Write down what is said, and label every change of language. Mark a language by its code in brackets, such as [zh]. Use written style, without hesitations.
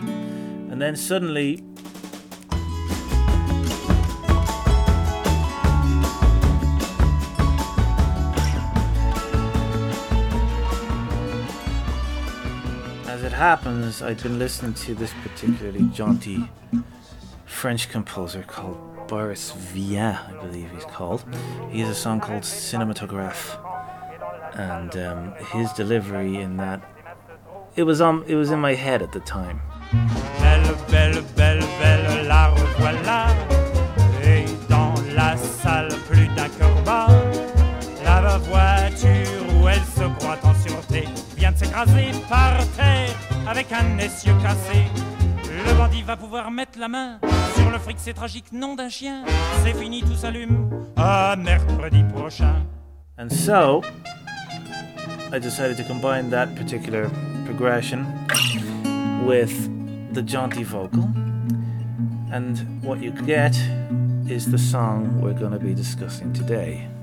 [en] And then suddenly, as it happens, I've been listening to this particularly jaunty French composer called Boris Vian, I believe he's called. He has a song called Cinematograph, and his delivery in that, it was in my head at the time. [fr] Belle, belle, belle, belle, la revoilà. Et dans la salle, plus d'un cœur bas. La voiture où elle se croit en sûreté vient de s'écraser par terre avec un essieu cassé. Le bandit va pouvoir mettre la main sur le fric, c'est tragique, nom d'un chien. C'est fini, tout s'allume à mercredi prochain. [en] And so, I decided to combine that particular progression with the jaunty vocal, and what you get is the song we're going to be discussing today.